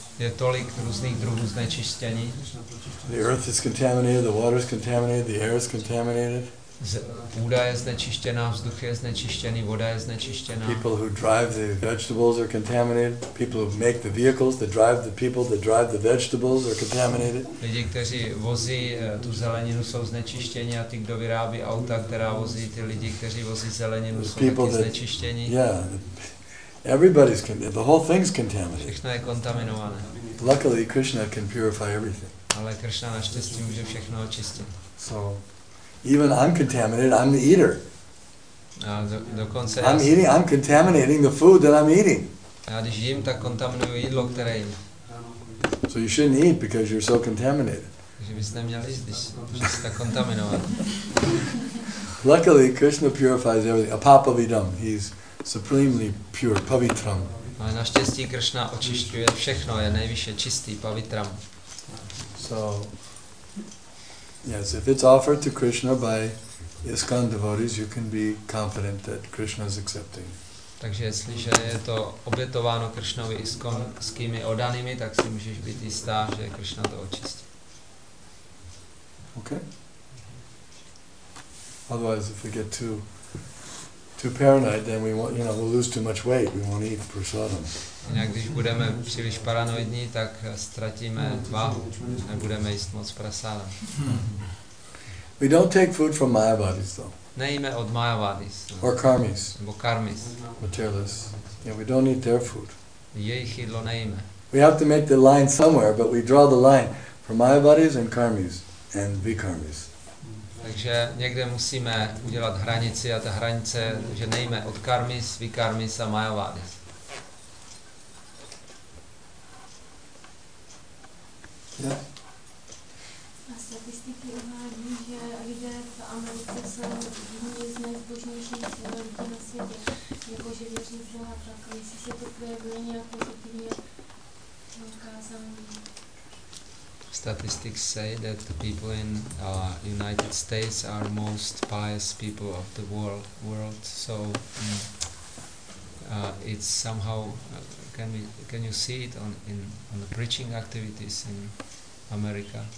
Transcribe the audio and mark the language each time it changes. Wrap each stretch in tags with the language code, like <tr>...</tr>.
<cs>Je tolik různých druhů znečištění.</cs> <en>The earth is contaminated. The water is contaminated. The air is contaminated.</en> <cs>Půda je znečištěná, vzduch je znečištěný, voda je znečištěná.</cs> <en>People who drive the vegetables are contaminated. People who make the vehicles that drive the people that drive the vegetables are contaminated.</en> <cs>Lidi, kteří vozí tu zeleninu, jsou znečištění, a ty, kdo vyrábí auta, která vozí ty lidi, kteří vozí zeleninu, jsou taky znečištění.</cs> <en>Everybody's contaminated. The whole thing's contaminated.</en> <cs>Všechno je kontaminované.</cs> <en>Luckily, Krishna can purify everything.</en> <cs>Ale Krishna naštěstí může všechno očistit.</cs> <en>So. Even I'm contaminated, I'm the eater.</en> <cs>Dokonce</cs> <en>I'm contaminating the food that I'm eating.</en> <cs>Já když jím, tak kontaminuju jídlo, které jím.</cs> <en>So you shouldn't eat because you're so contaminated.</en> <cs>Takže bys neměl jíst, když jsi tak kontaminovaný.</cs> <en>Luckily, Krishna purifies everything. Apapavidam, he's supremely pure, pavitram.</en> <cs>Ale naštěstí Krishna očišťuje všechno, je nejvyšší čistý, pavitram.</cs> <en>So. Yes, if it's offered to Krishna by ISKCON devotees, you can be confident that Krishna is accepting.</en> <cs>Takže jestliže je to obětováno Krishnovi ISKCON-skými oddanými, tak si můžeš být jistá, že Krishna to očistí.</cs> <en>Okay. Otherwise, if we get too paranoid, then we'll lose too much weight. We won't eat prasadam.</en> <cs>Jinak když budeme příliš paranoidní, tak ztratíme váhu. Nebudeme jíst moc prasadam.</cs> <en>We don't take food from mayavadis, though.</en> <cs>Nejíme od mayavadis.</cs> <en>Or karmis.</en> <cs>Nebo karmis.</cs> <en>Materialists. Yeah, we don't eat their food.</en> <cs>Jejich jídlo nejíme.</cs> <en>We have to make the line somewhere, but we draw the line for mayavadis and karmis and vikarmis.</en> <cs>Takže někde musíme udělat hranici, a ta hranice, že nejíme od karmis, vikarmis a mayavadis. A statistiky uvádí, že lidé v Americe jsou jedni z nejzbožnějších lidí na světě, jakože věří v Boha, tak jestli se to projevuje nějak pozitivně, ukázání.</cs> <en>Statistics say that the people in United States are most pious people of the world. So it's somehow can you see it on the preaching activities in America?</en>